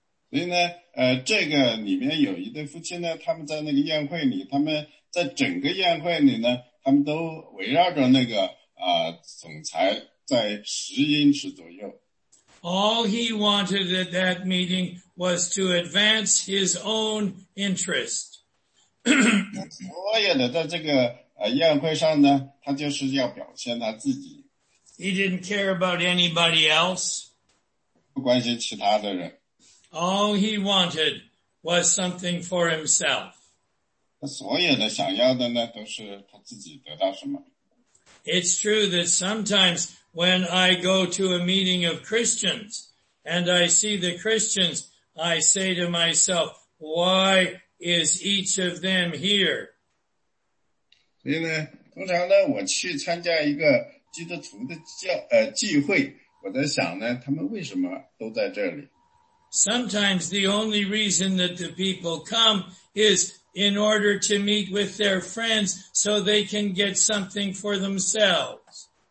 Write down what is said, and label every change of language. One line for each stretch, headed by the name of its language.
Chinese: 所以呢，这个里面有一对夫妻呢，他们在那个宴会里，他们在整个宴会里呢，他们都围绕着那个总裁在10英尺左右。
English: All he wanted at that meeting was to advance his own interest.
Chinese: 所有的在这个宴会上呢，他就是要表现他自己。
English: He didn't care about anybody else.
Chinese: 不关心其他的人。
English: All he wanted was something for himself.
Chinese: 他所有的想要的呢，都是他自己得到什么。
English: It's true that sometimes when I go to a meeting of Christians and I see the Christians, I say to myself, why is each of them here?
Chinese: 所以呢，通常呢，我去参加一个基督徒的聚会，我在想呢，他们为什么都在这里
English: ？Sometimes the only reason that the people come is in order to meet with their friends so they can get something for themselves.